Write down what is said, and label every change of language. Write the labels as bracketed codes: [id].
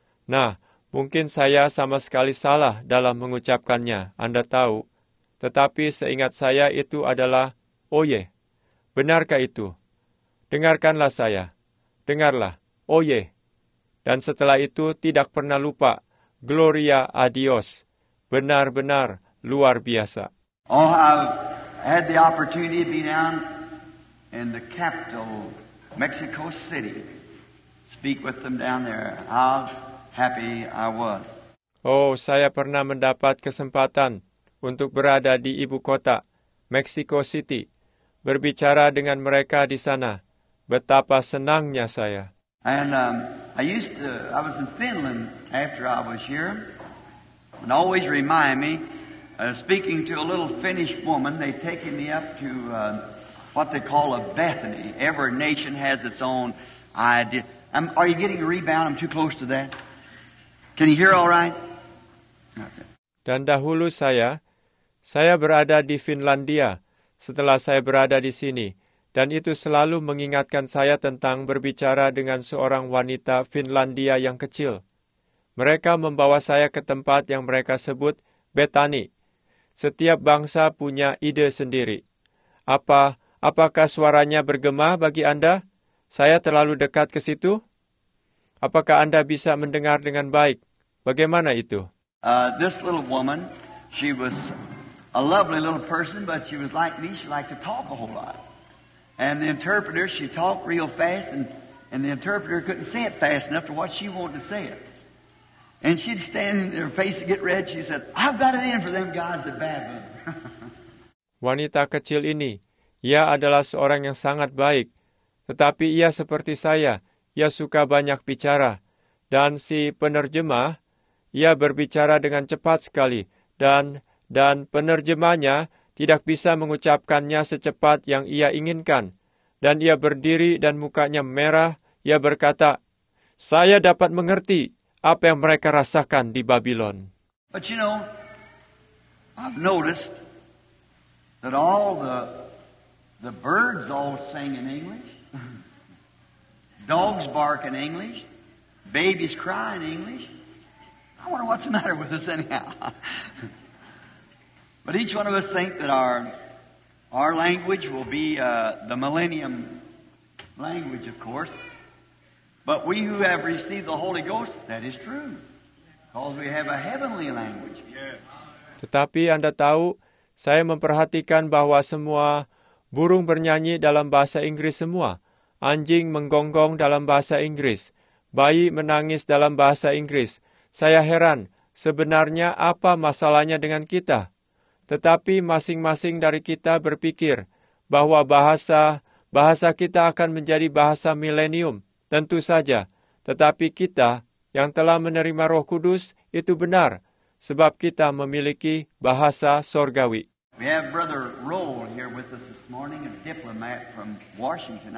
[id] Nah, mungkin saya sama sekali salah dalam mengucapkannya, Anda tahu. Tetapi seingat saya itu adalah, "Oye." Benarkah itu? Dengarkanlah saya. Dengarlah, "Oye." Dan setelah itu tidak pernah lupa, [es] "Gloria a Dios." [id] Benar-benar luar biasa. [en] Oh, I've had the opportunity to be down in the capital, Mexico City. Speak with them down there. How happy I was. [id] Oh, saya pernah mendapat kesempatan untuk berada di ibu kota, Mexico City, berbicara dengan mereka di sana. Betapa senangnya saya. [en] And I was in Finland after I was here, and always remind me, speaking to a little Finnish woman, they taken me up to what they call a Bethany. Every nation has its own idea. Are you getting a rebound? I'm too close to that. Can you hear all right? [id] Dan dahulu saya berada di Finlandia setelah saya berada di sini. Dan itu selalu mengingatkan saya tentang berbicara dengan seorang wanita Finlandia yang kecil. Mereka membawa saya ke tempat yang mereka sebut Bethany. Setiap bangsa punya ide sendiri. Apakah suaranya bergema bagi Anda? Saya terlalu dekat ke situ? Apakah Anda bisa mendengar dengan baik? Bagaimana itu? [en] This little woman, she was a lovely little person, but she was like me. She liked to talk a whole lot. And the interpreter, she talked real fast, and the interpreter couldn't say it fast enough to what she wanted to say it. And she'd stand in her face and get red. She said, "I've got it in for them guys, the baboon." [id] Wanita kecil ini, ia adalah seorang yang sangat baik. Tetapi ia seperti saya, ia suka banyak bicara. Dan si penerjemah, ia berbicara dengan cepat sekali. Dan penerjemahnya tidak bisa mengucapkannya secepat yang ia inginkan. Dan ia berdiri dan mukanya merah, ia berkata, "Saya dapat mengerti apa yang mereka rasakan di Babylon." [en] But you know, I've noticed that all the birds all sing in English. Dogs bark in English. Babies cry in English. I wonder what's the matter with us anyhow. But each one of us think that our language will be the millennium language, of course. But we who have received the Holy Ghost, that is true. Because we have a heavenly language. [id] Tetapi Anda tahu, saya memperhatikan bahwa semua burung bernyanyi dalam bahasa Inggris semua. Anjing menggonggong dalam bahasa Inggris. Bayi menangis dalam bahasa Inggris. Saya heran, sebenarnya apa masalahnya dengan kita? Tetapi masing-masing dari kita berpikir bahwa bahasa kita akan menjadi bahasa milenium, tentu saja. Tetapi kita yang telah menerima Roh Kudus itu benar. Sebab kita memiliki bahasa sorgawi. [en] We have Brother Roll here with us this morning, a diplomat from Washington.